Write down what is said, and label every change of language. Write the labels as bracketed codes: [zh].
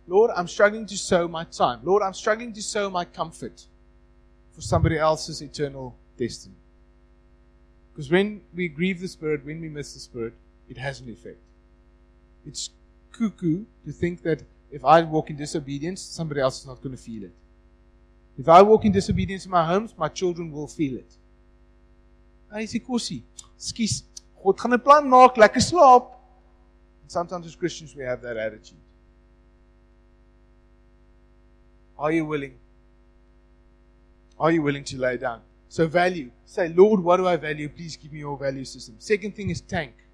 [en] Lord, I'm struggling to sow my time. Lord, I'm struggling to sow my comfort for somebody else's eternal destiny. Because when we grieve the Spirit, when we miss the Spirit, it has an effect. It's cuckoo to think that if I walk in disobedience, somebody else is not going to feel it. If I walk in disobedience in my homes, my children will feel it. [af] Hy sê kosie, skies, God gaan 'n plan maak, lekker slaap. [en] And sometimes as Christians we have that attitude. Are you willing? Are you willing to lay down? So value. Say, Lord, what do I value? Please give me your value system. Second thing is tank.